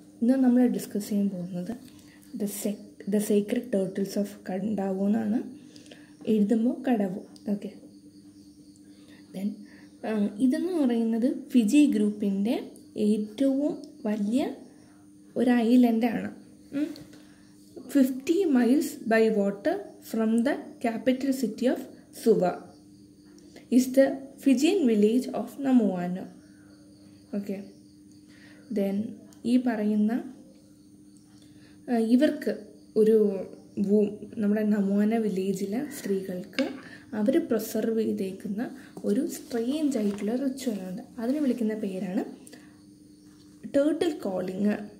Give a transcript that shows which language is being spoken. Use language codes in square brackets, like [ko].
[ml] ഇന്ന് നമ്മൾ ഡിസ്കസ് ചെയ്യാൻ പോകുന്നത് ദ സീക്രട്ട് ടേർട്ടിൽസ് ഓഫ് കണ്ടാവു എന്നാണ്. എഴുതുമ്പോൾ കടവു. ഓക്കെ, ദെൻ ഇതെന്ന് പറയുന്നത് ഫിജി ഗ്രൂപ്പിൻ്റെ ഏറ്റവും വലിയ ഒരു ഐലൻഡാണ്. [en] 50 miles by water from the capital city of Suva is the Fijian village of Namuano. [ml] Okay, then ഈ പറയുന്ന ഇവർക്ക് ഒരു വൂം, നമ്മുടെ നമുവാന വില്ലേജിലെ സ്ത്രീകൾക്ക് അവർ പ്രിസർവ് ചെയ്തേക്കുന്ന ഒരു സ്ട്രേഞ്ച് ആയിട്ടുള്ള റിച്വൽ ഉണ്ട്. അതിനെ വിളിക്കുന്ന പേരാണ് ടേർട്ടിൽ കോളിങ്.